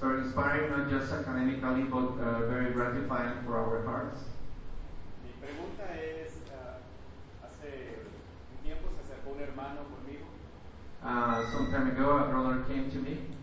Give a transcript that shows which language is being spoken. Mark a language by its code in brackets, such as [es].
[en] Very inspiring, not just academically, but very gratifying for our hearts. [es] Pregunta es, hace un tiempo se acercó un hermano conmigo. [en] Some time ago, a brother came to me.